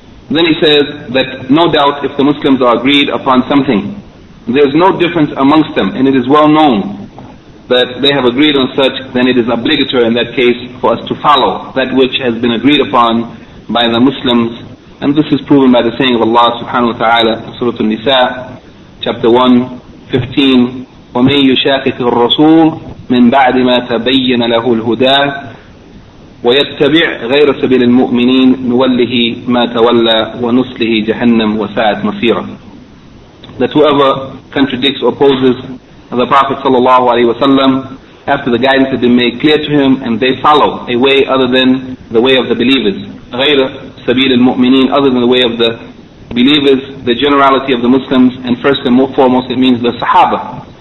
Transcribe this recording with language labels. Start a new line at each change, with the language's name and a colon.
English: Then he says that no doubt if the Muslims are agreed upon something, there is no difference amongst them, and it is well known that they have agreed on such, then it is obligatory in that case for us to follow that which has been agreed upon by the Muslims. And this is proven by the saying of Allah subhanahu wa ta'ala, Surah An-Nisa, chapter 1:15,
Arabic: وَمَنْ يُشَاقِقِ الرَّسُولِ مِنْ بَعْدِ مَا تَبَيَّنَ لَهُ الْهُدَىٰ وَيَتَّبِعْ غَيْرَ سَبِيلِ الْمُؤْمِنِينَ نُوَلِّهِ مَا تَوَلَّى وَنُسْلِهِ جَهَنَّمْ وَسَاعَتْ مَصِيرًا.
English: That whoever contradicts or opposes the Prophet sallallahu alaihi wasallam after the guidance had been made clear to him, and they follow a way other than the way of the believers,
Arabic: غَيْرَ سَبِيلِ الْمُؤْمِنِينَ,
English: other than the way of the believers, the generality of the Muslims, and first and foremost it means the Sahaba.